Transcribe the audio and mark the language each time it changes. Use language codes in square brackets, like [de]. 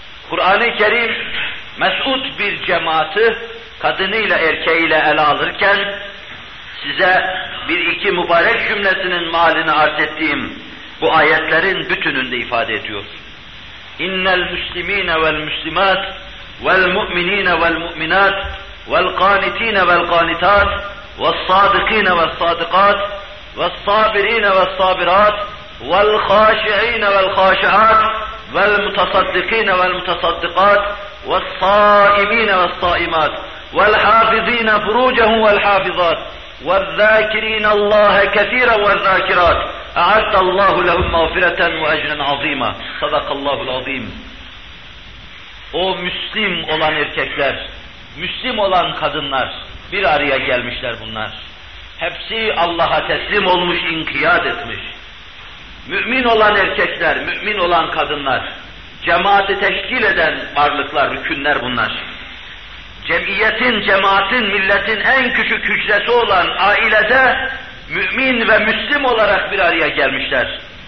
[tr] Kur'an-ı Kerim mes'ud bir cemaati kadınıyla erkeğiyle ele alırken size bir iki mübarek cümlesinin malini arz ettiğim bu ayetlerin bütününde ifade ediyor. [ar] İnnel müslimine vel müslimat vel mu'minine vel mu'minat والقانتين والقانتات والصادقين والصادقات والصابرين والصابرات والخاشعين والخاشعات والمتصدقين والمتصدقات والصائمين والصائمات والحافظين فروجهم والحافظات والذاكرين الله كثيرا والذاكرات أعد الله لهم مغفرة وأجرا عظيما صدق الله العظيم او مسلم [tr] olan erkekler, Müslim olan kadınlar, bir araya gelmişler bunlar. Hepsi Allah'a teslim olmuş, inkiyat etmiş. Mümin olan erkekler, mümin olan kadınlar, cemaati teşkil eden varlıklar, rükünler bunlar. Cemiyetin, cemaatin, milletin en küçük hücresi olan ailede mümin ve Müslim olarak bir araya gelmişler.